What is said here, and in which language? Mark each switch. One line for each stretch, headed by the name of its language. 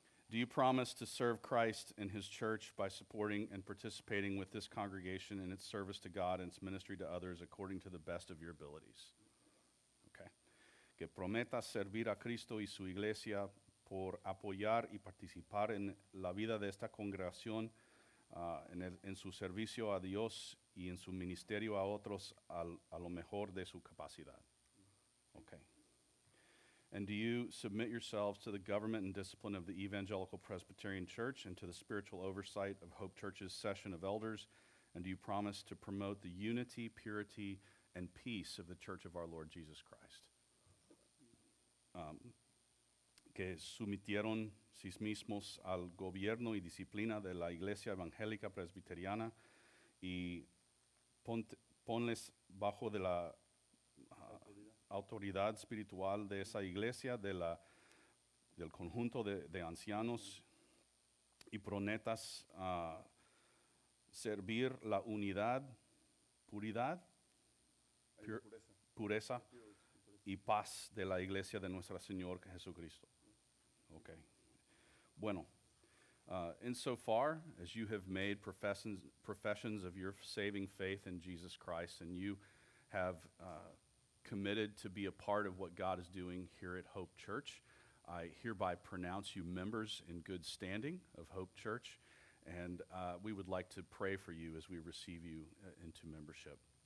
English: Do you promise to serve Christ and his church by supporting and participating with this congregation in its service to God and its ministry to others according to the best of your abilities? Okay.
Spanish: Que prometas servir a Cristo y su iglesia por apoyar y participar en la vida de esta congregación en su servicio a Dios y en su ministerio a otros a lo mejor de su capacidad.
English: Okay. And do you submit yourselves to the government and discipline of the Evangelical Presbyterian Church and to the spiritual oversight of Hope Church's session of elders? And do you promise to promote the unity, purity, and peace of the Church of our Lord Jesus Christ?
Spanish: Que sumitieron sí mismos al gobierno y disciplina de la Iglesia Evangélica Presbiteriana y ponles bajo de la autoridad espiritual de esa iglesia, del conjunto de ancianos, y prometas servir la unidad, puridad, pureza y paz de la iglesia de nuestro Señor Jesucristo.
English: Okay.
Spanish: Bueno,
English: insofar as you have made professions of your saving faith in Jesus Christ and you have committed to be a part of what God is doing here at Hope Church. I hereby pronounce you members in good standing of Hope Church, and we would like to pray for you as we receive you into membership.